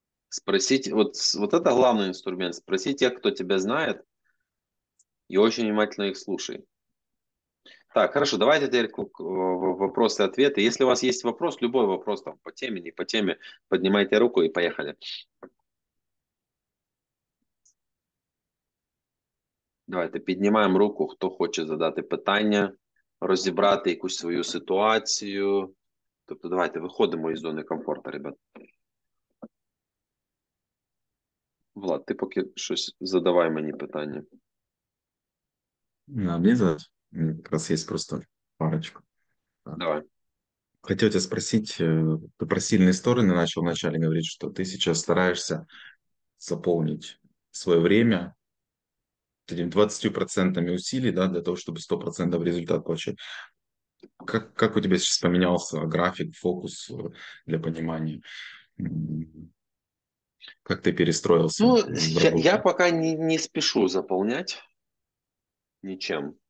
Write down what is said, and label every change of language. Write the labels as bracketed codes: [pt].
[ru] Спросите, вот это главный инструмент. Спроси тех, кто тебя знает, и очень внимательно их слушай. Так, хорошо, давайте теперь вопросы-ответы. Если у вас есть вопрос, любой вопрос там по теме, не по теме, поднимайте руку и поехали. [uk] Давайте піднімаємо руку, хто хоче задати питання, розібрати якусь свою ситуацію. Тобто, давайте виходимо із зони комфорту, ребят. Влад, ти поки щось задавай мені питання. На бізнес якраз є просто парочку. Давай. Хотів тебе спросити, ти про сильні сторони почав вначале говорити, що ти зараз стараєшся заповнити своє время. [ru] 20% усилий, да, для того, чтобы 100% результат получать. Как у тебя сейчас поменялся график, фокус для понимания? Как ты перестроился Ну, в работе? я пока не спешу заполнять ничем.